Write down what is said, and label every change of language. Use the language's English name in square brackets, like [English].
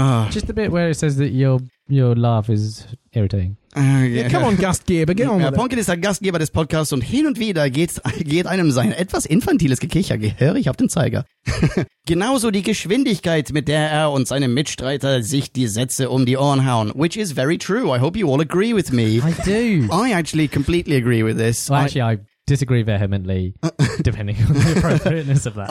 [English] Just the bit where it says that your laugh is irritating. Yeah, come on, Gastgeber, get on with it. [German] Ponkin ist der Gastgeber des Podcasts und hin und wieder geht einem sein etwas infantiles Gekicher gehörig auf den Zeiger. Genauso die Geschwindigkeit, mit der er und seine Mitstreiter sich die Sätze um die Ohren hauen. [English] Which is very true. I hope you all agree with me. I do. I actually completely agree with this. Well, I disagree vehemently, depending on the appropriateness of that.